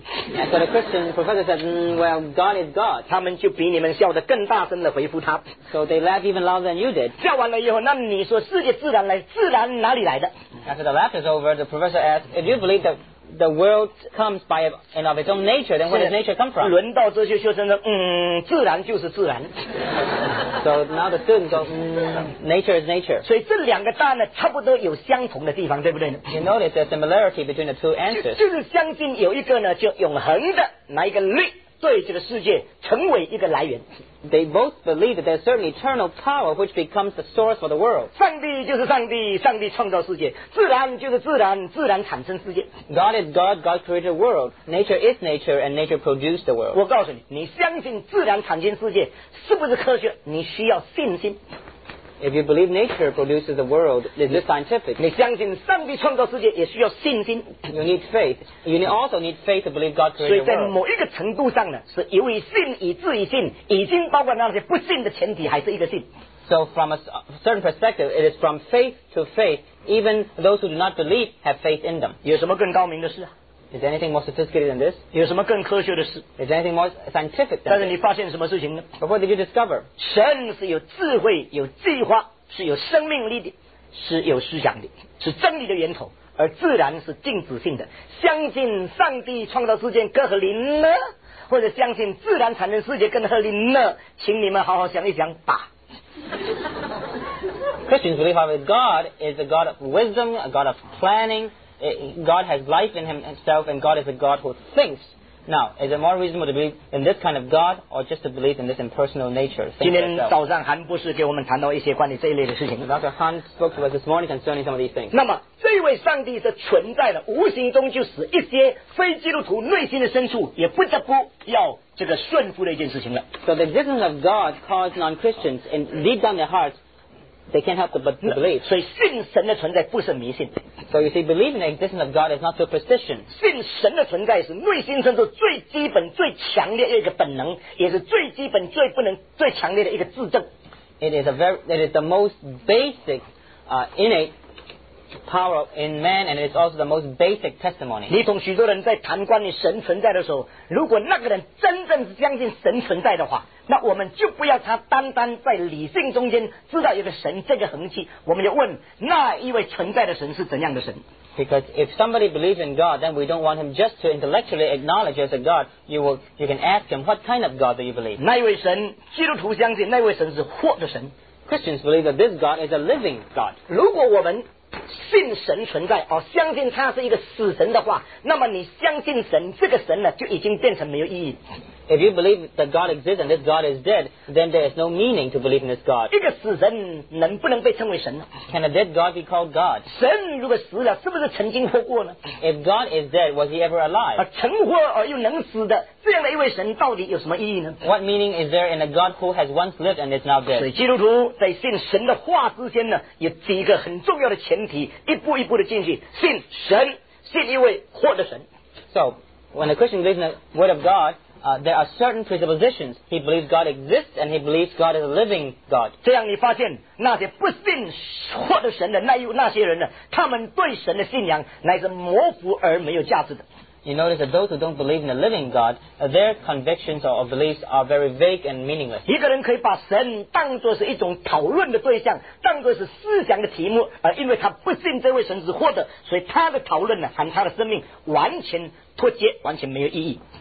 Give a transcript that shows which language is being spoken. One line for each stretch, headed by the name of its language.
English: And so the Christian professor said, well, God is God.
Chinese: 他们就比你们笑得更大声地回复他。
English: So they laugh even louder than you did.
Chinese: 笑完了以后，那你说世界自然来，自然哪里来的？
English: After the laugh is over, the professor asked, if you believe thatThe world comes by and of its own nature, then where does nature come from?
Chinese: 轮到这些学生说，自然就是自然。
English: So now the students go, nature is nature.
Chinese: 所以这两个答案呢，差不多有相同的地方，对不对呢？
English: You notice the similarity between the two answers.
Chinese: 就是相信有一个呢，就永恒的，拿一个律。对这个世界成为一个来源。
English: They both believe that there's certain eternal power which becomes the source for the world.
Chinese: 上帝就是上帝，上帝创造世界，自然就是自然，自然产生世界。
English: God is God, God created the world. Nature is nature, and nature produced the world.
Chinese: 我告诉你，你相信自然产生世界是不是科学？你需要信心。
English: If you believe nature produces the world, is this scientific?
Chinese: 你相信上帝创造世界也需要信心。
English: You need faith. You also need faith to believe God created the world.
Chinese: 所以在某一个程度上呢，是由于信以至于信，已经包括那些不信的前提，还是一个信。
English: So from a certain perspective, it is from faith to faith. Even those who do not believe have faith in them.
Chinese: 有什么更高明的事啊？
English: Is anything more sophisticated than this?
Chinese: 有什么更科学的事？
English: Is anything more scientific than this?
Chinese: 但是你发现什么事情呢？
English: But what did you discover?
Chinese: 神是有智慧、有计划、是有生命力的，是有思想的，是真理的源头，而自然是静止性的。相信上帝创造世界更合理呢，或者相信自然产生世界更合理呢？请你们好好想一想吧。
English: Christians believe that God is a God of wisdom, a God of planning. God has life in himself, and God is a God who thinks. Now, is it more reasonable to believe in this kind of God, or just to believe in this impersonal nature?
Chinese: 今天早上韩博士给我们谈到一些关于这一类的事情。
English: Dr. Han spoke to us this morning concerning some of these things.
Chinese: 那么这位上帝的存在呢，无形中就使一些非基督徒内心的深处也不得不要这个顺服的一件事情了。
English: So the existence of God caused non-Christians in deep down their hearts. They can't help but believe.
Chinese: 所以信神的存在不是迷信。
English: So you see, believing the existence of God is not superstition.
Chinese: 信神的存在是内心深处最基本、最强烈的一个本能，也是最基本、最不能、最强烈的一个自证。
English: It is the most basic, innate power in man, and it is also the most basic testimony.
Chinese: 你同许多人在谈关于神存在的时候，如果那个人真正是相信神存在的话。那我们就不要他单单在理性中间知道一个神这个痕迹，我们就问那一位存在的神是怎样的神。
English: Because if somebody believes in God, then we don't want him just to intellectually acknowledge as a God. You can ask him, what kind of God do you believe?
Chinese: 那一位神，基督徒相信那位神是活的神。
English: Christians believe that this God is a living God.
Chinese: 如果我们信神存在，哦，相信他是一个死神的话，那么你相信神这个神呢，就已经变成没有意义。
English: If you believe that God exists and this God is dead, then there is no meaning to believe in this God.
Chinese: 一个死神能不能被称为神呢？
English: Can a dead God be called God?
Chinese: 神如果死了，是不是曾经活过呢？
English: If God is dead, was he ever alive?
Chinese: 曾活而又能死的这样的一位神到底有什么意义呢？
English: What meaning is there in a God who has once lived and is now dead?
Chinese: 所以基督徒在信神的话之间呢，有几个很重要的前提，一步一步的进去，信神，信一位活的神。
English: So, when a Christian believes in the word of God,there are certain presuppositions. He believes God exists, and he believes God is a living God.
Chinese: 这样你发现那些不信活的神的那些人呢，他们对神的信仰乃是模糊而没有价值的。
English: You notice that those who don't believe in the living God, their convictions or beliefs are very vague and meaningless.
Chinese: 一个人可以把神当作是一种讨论的对象，当作是思想的题目，而因为他不信这位神是活的，所以他的讨论呢和他的生命完全脱节，完全没有意义。